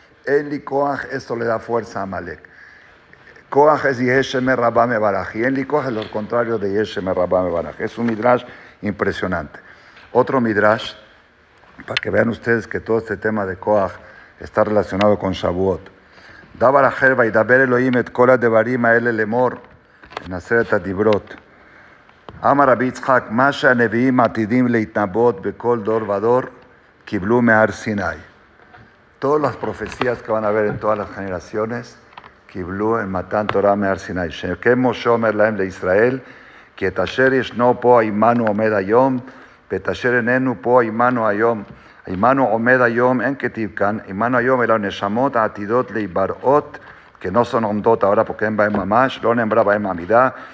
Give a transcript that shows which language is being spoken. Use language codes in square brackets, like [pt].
[es] En Likoaj, esto le da fuerza a Amalek. Koaj es Yesheme Rabame Baraj. Y en Likoaj es lo contrario de Yesheme Rabame Baraj. Es un Midrash impresionante. Otro Midrash, para que vean ustedes que todo este tema de Koaj está relacionado con Shavuot. [he] דבר אחר, וידבר אלוהים את כל הדברים האלה למור, נעשרת הדיברות. אמר רבי יצחק, מה שהנביאים עתידים להתנבות בכל דור ודור, קיבלו מהר סיני. [es] Todas las profecías que van a haber en todas las generaciones, [he] קיבלו [es] en [he] מתן תורה מהר סיני. שכן משה אומר להם לישראל, כי את אשר ישנו פה עמנו עומד היום, ואת אשר איננו פה עמנו היום, עמנו עומד היום, אין כתיב כאן, עמנו היום אלא נשמות העתידות להיבראות, כי לא סון עומדות, ההורה פה כן בהם ממש, לא נאמרה בהם עמידה,